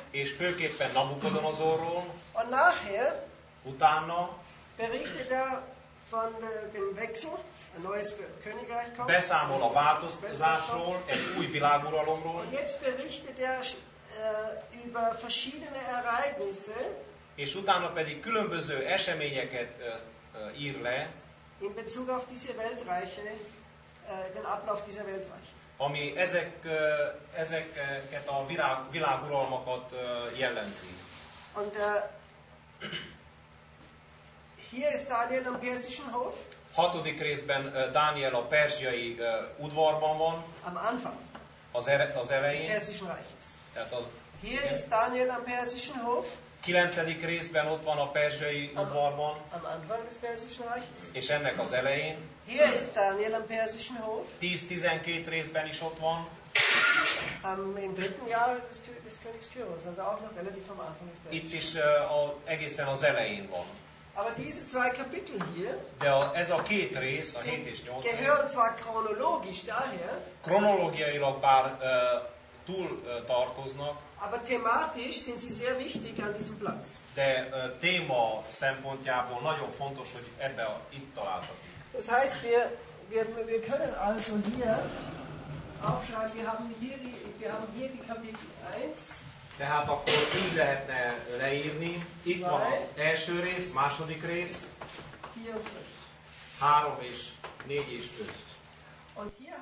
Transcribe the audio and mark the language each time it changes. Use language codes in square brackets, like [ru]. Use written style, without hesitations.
[hu] és főképpen Nabukodonozorról, [de] und nachher, [hu] utána, [de] berichtet von dem Wechsel, ein neues Königreich kommt, [hu] beszámol a változásról, egy új világuralomról, [de] und jetzt berichtet über verschiedene Ereignisse, [hu] és utána pedig különböző eseményeket ír le, [de] in Bezug auf diese Weltreiche, den Ablauf dieser Weltreich. [hu] Ami ezeket a világuralmakat jellemzi. [de] Und hier ist Daniel am persischen Hof. [hu] Hatodik részben Dániel a perzsiai udvarban van. [de] Am Anfang. [hu] Az elején. [de] Des persischen Reiches. [hu] Tehát az, [de] hier [hu] igen. [de] Ist Daniel am persischen Hof. [hu] Kilencedik részben ott van a perzsiai udvarban. [de] Am Anfang des persischen Reiches. [hu] És ennek az elején. [de] Hier ist Daniel am persischen Hof. [hu] 10-12 részben is ott van. [de] Im dritten Jahr des Königs Kyros, also auch noch relativ am Anfang des Persischen. [hu] Itt is egészen az elején van. [de] Aber diese zwei Kapitel hier, [hu] de ez a két rész, a 7 és 8. [de] Gehören zwar chronologisch daher. [hu] Chronológiailag bár túl tartoznak. [de] Aber thematisch sind sie sehr wichtig an diesem Platz. [hu] De téma szempontjából nagyon fontos, hogy ebbe a itt találtak. [de] Das heißt, wir können also hier aufschreiben, wir haben hier die Kapitel 1. [hu] Tehát akkor így lehetne leírni. Itt van az első rész, második rész. 3 és 4 és 5.